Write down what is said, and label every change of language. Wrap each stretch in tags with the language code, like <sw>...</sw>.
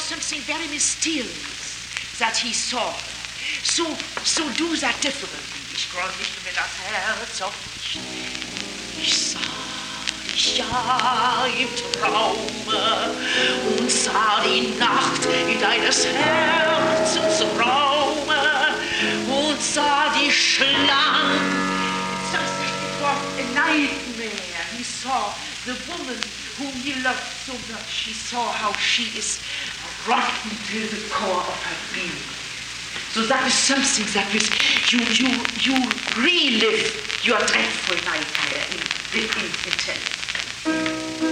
<en>Very mysterious that he saw. So do that differently.</en> <de>Ich grolle nicht, wenn das Herz aufbricht. Ich sah dich ja im Traume und sah die Nacht in deines Herzens Raume und sah die Schlange.</de> <en>Just before a nightmare, he saw the woman whom he loved so much. He saw how she is rotten to the core of her being. So that is something that is you relive your dreadful nightmare in intent.</en>